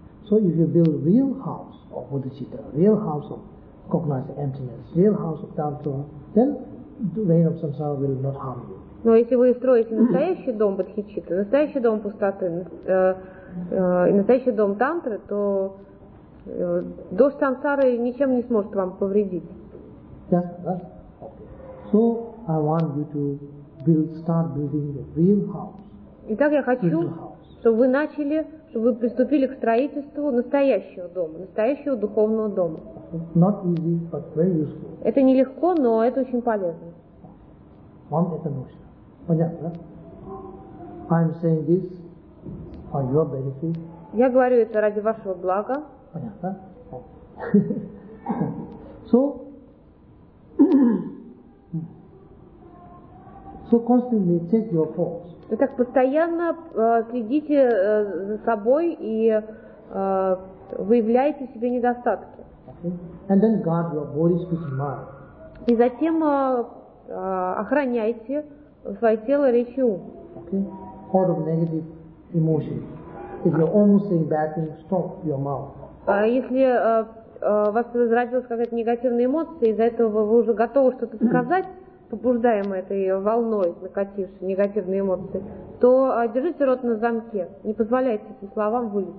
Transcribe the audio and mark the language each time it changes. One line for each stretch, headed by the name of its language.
English: So if you build real house of bodhicitta, real house of cognizant emptiness, real house of tantra, then the rain of samsara will not harm you.
Russian: Но если вы строите настоящий дом бодхичитты, настоящий дом пустоты, настоящий дом тантры, то дождь самсары ничем не сможет вам повредить.
English: Yes, yes. Okay. So I want you to build, start building a real house.
Russian: Итак, я хочу, чтобы вы начали, чтобы вы приступили к строительству настоящего дома, настоящего духовного дома.
English: Not easy, but very useful.
Russian: Это нелегко, но это очень полезно. Вам это нужно. Понятно, да?
English: I'm saying this for your benefit.
Russian: Я говорю это ради вашего блага. Понятно?
English: So, so constantly check your thoughts.
Russian: Итак, постоянно следите за собой и выявляйте себе недостатки.
English: Okay. And then guard your body, speech, and mind.
Russian: И затем охраняйте свое тело, речь и ум.
English: Okay. Out of negative emotions. If you're almost saying bad things, stop your mouth.
Russian: А если у вас зародилась какая-то негативная эмоция, из-за этого вы уже готовы что-то сказать, побуждаем этой волной, накатившей негативные эмоции, то держите рот на замке, не позволяйте этим словам